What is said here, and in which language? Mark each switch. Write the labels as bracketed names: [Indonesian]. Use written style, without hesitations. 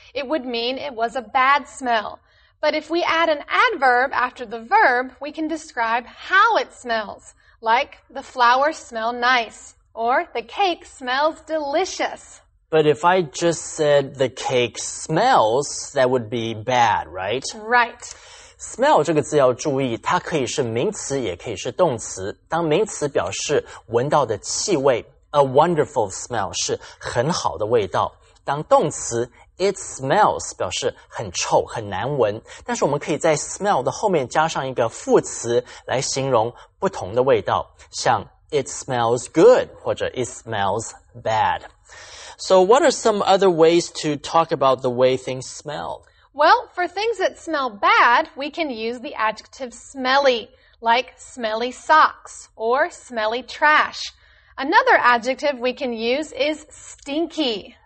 [English] It would mean it was a bad smell. But if we add an adverb after the verb, we can describe how it smells, like the flowers smell nice or the cake smells delicious. But if I just said the cake smells, that would be bad, right? Right. [Chinese] Smell 这个字要注意，它可以是名词，也可以是动词。当名词表示闻到的气味。 [English] A wonderful smell [Chinese] 是很好的味道。当动词 [English] it smells [Chinese] 表示很臭很难闻。但是我们可以在 smell 的后面加上一个副词来形容不同的味道。像 [English] it smells good [Chinese] 或者 [English] it smells bad. So what are some other ways to talk about the way things smell? Well, for things that smell bad, we can use the adjective smelly, like smelly socks or smelly trash. Another adjective we can use is stinky.